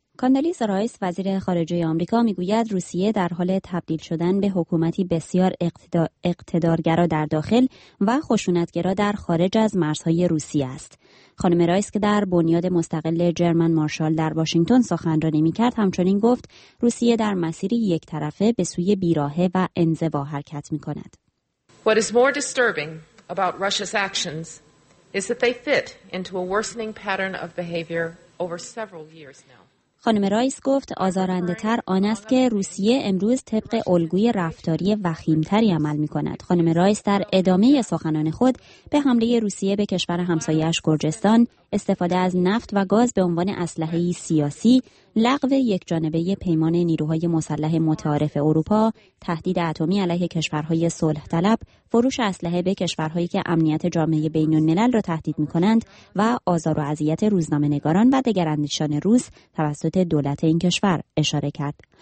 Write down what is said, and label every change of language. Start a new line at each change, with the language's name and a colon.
Persian: کاندلیز رایس وزیر خارجه آمریکا میگوید روسیه در حال تبدیل شدن به حکومتی بسیار اقتدارگرا در داخل و خشونتگرا در خارج از مرزهای روسیه است. خانم رایس که در بنیاد مستقل جرمن مارشال در واشنگتن سخنرانی میکرد همچنین گفت روسیه در مسیر یک طرفه به سوی بیراهه و انزوا حرکت میکند.
English: What is more disturbing about Russia's actions is that they fit into a worsening pattern of behavior over several years now.
Persian: خانم رایس گفت آزارنده تر آن است که روسیه امروز طبق الگوی رفتاری وخیمتری عمل می کند. خانم رایس در ادامه سخنان خود به حمله روسیه به کشور همسایه‌اش گرجستان، استفاده از نفت و گاز به عنوان اسلحه سیاسی، لغو یک جانبه پیمان نیروهای مسلح متعارف اروپا، تهدید اتمی علیه کشورهای صلح طلب، فروش اسلحه به کشورهایی که امنیت جامعه بین الملل را تهدید می کنند و آزار و اذیت روزنامه نگاران و دگراندیشان روس توسط دولت این کشور اشاره کرد.